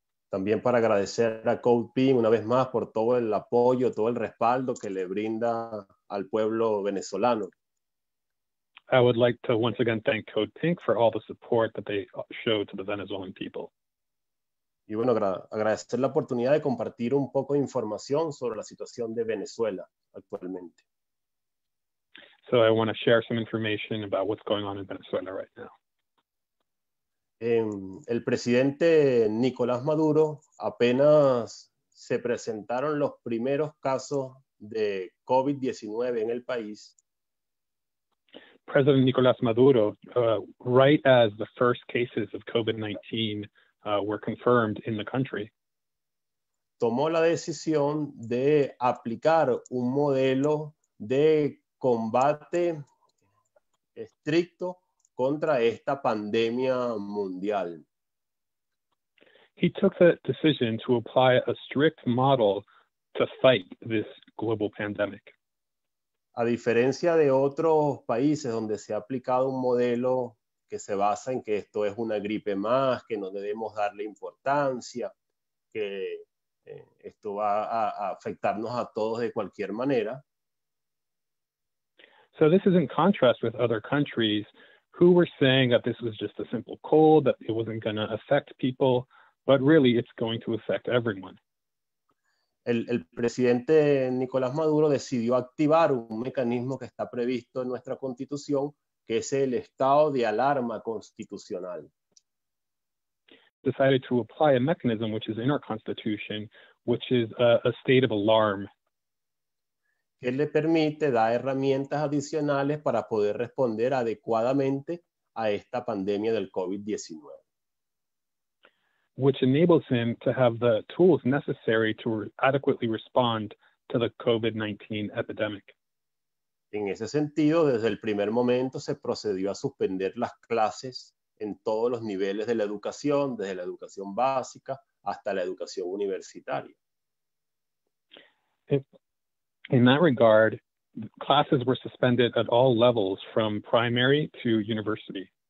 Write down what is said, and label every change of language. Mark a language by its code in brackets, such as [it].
[es] También para agradecer a CODEPINK una vez más por todo el apoyo, todo el respaldo que le brinda al pueblo venezolano. [en] I would like to once again thank CODEPINK for all the support that they show to the Venezuelan people. [es] Y bueno, agradecer la oportunidad de compartir un poco de información sobre la situación de Venezuela actualmente. [en] So I want to share some information about what's going on in Venezuela right now. [es] El presidente Nicolás Maduro, apenas se presentaron los primeros casos de COVID-19 en el país, [en] President Nicolás Maduro, right as the first cases of COVID-19 were confirmed in the country, [es] tomó la decisión de aplicar un modelo de combate estricto contra esta pandemia mundial. [en] He took the decision to apply a strict model to fight this global pandemic. [es] A diferencia de otros países donde se ha aplicado un modelo que se basa en que esto es una gripe más, que no debemos darle importancia, que esto va a afectarnos a todos de cualquier manera. [en] So this is in contrast with other countries who were saying that this was just a simple cold, that it wasn't going to affect people, but really it's going to affect everyone. [es] El presidente Nicolás Maduro decidió activar un mecanismo que está previsto en nuestra constitución, que es el estado de alarma constitucional. [en] Decided to apply a mechanism which is in our constitution, which is a state of alarm. [es] Que le permite dar herramientas adicionales para poder responder adecuadamente a esta pandemia del COVID-19. [en] Which enables him to have the tools necessary to adequately respond to the COVID-19 epidemic. [es] En ese sentido, desde el primer momento se procedió a suspender las clases en todos los niveles de la educación, desde la educación básica hasta la educación universitaria. [en] In that regard, classes were suspended at all levels, from primary to university.